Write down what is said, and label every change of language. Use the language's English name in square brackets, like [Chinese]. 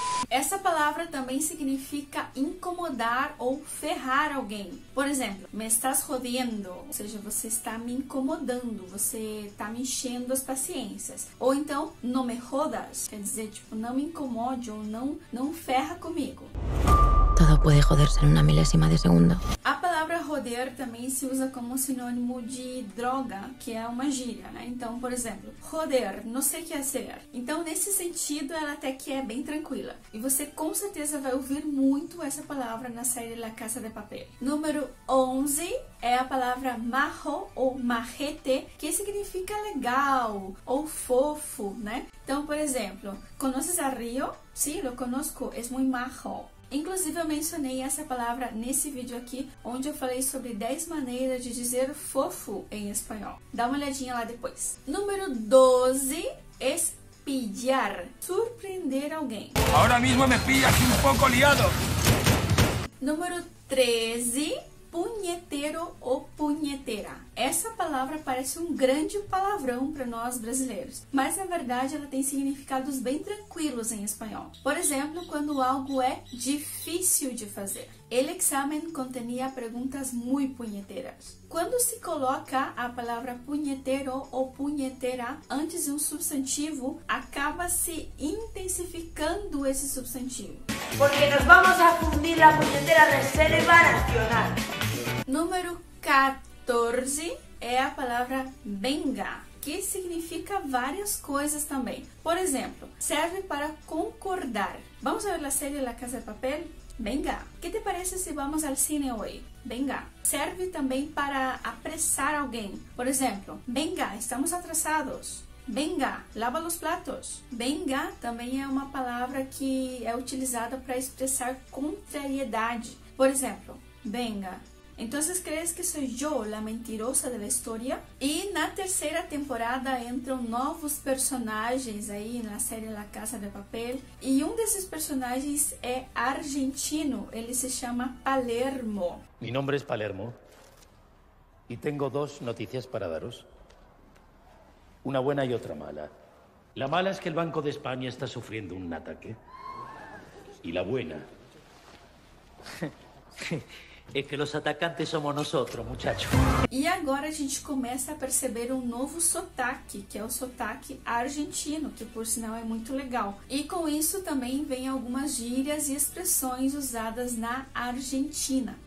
[Portuguese] Essa palavra também significa incomodar ou ferrar alguém. Por exemplo, [Spanish] me estás jodiendo. [Portuguese] Ou seja, você está me incomodando, você está me enchendo as paciências. Ou então, [Spanish] no me jodas. [Portuguese] Quer dizer, tipo, não me incomode ou não ferra comigo. [Spanish] Todo puede joderse en una milésima de segundo. [Portuguese] A palavra joder também se usa como sinônimo de droga, que é uma gíria, né? Então, por exemplo, [Spanish] joder, no sé qué hacer. [Portuguese] Então, nesse sentido, ela até que é bem tranquila. E você com certeza vai ouvir muito essa palavra na série La Casa de Papel. Número 11 é a palavra majo ou majete, que significa legal ou fofo, né? Então, por exemplo, [Spanish] ¿conoces a Rio? Sí, lo conozco, es muy majo. [Portuguese] Inclusive, eu mencionei essa palavra nesse vídeo aqui, onde eu falei sobre 10 maneiras de dizer fofo em espanhol. Dá uma olhadinha lá depois. Número 12, es pillar, surpreender alguém. [Spanish] Ahora mismo me pillas un poco liado. [Portuguese] Número 13, punhetero ou punhetera. Essa palavra parece um grande palavrão para nós brasileiros, mas na verdade ela tem significados bem tranquilos em espanhol. Por exemplo, quando algo é difícil de fazer. [Spanish] El examen contenía preguntas muy puñeteras. [Portuguese] Quando se coloca a palavra punhetero ou punhetera antes de um substantivo, acaba se intensificando esse substantivo. [Spanish] Porque nos vamos a fundir la punhetera reserva nacional. [Portuguese] Número 14 é a palavra venga, que significa várias coisas também. Por exemplo, serve para concordar. Vamos ver a série La Casa de Papel? Venga. [Spanish] Que te parece [Portuguese] se vamos ao cine hoje? Venga. Serve também para apressar alguém. Por exemplo, [Spanish] venga, estamos atrasados. Venga, lava los platos. [Portuguese] Venga também é uma palavra que é utilizada para expressar contrariedade. Por exemplo, venga. [Spanish] Entonces, ¿crees que soy yo la mentirosa de la historia? [Portuguese] Y na terceira temporada entram novos personagens aí na série La Casa de Papel. E desses personagens é argentino. Ele se chama Palermo. [Spanish] Mi nombre es Palermo. Y tengo dos noticias para daros. Una buena y otra mala. La mala es que el Banco de España está sufriendo un ataque. Y la buena... [Portuguese] É que os atacantes somos nós, [Spanish] muchachos. [Portuguese] E agora a gente começa a perceber um novo sotaque, que é o sotaque argentino, que por sinal é muito legal. E com isso também vem algumas gírias e expressões usadas na Argentina.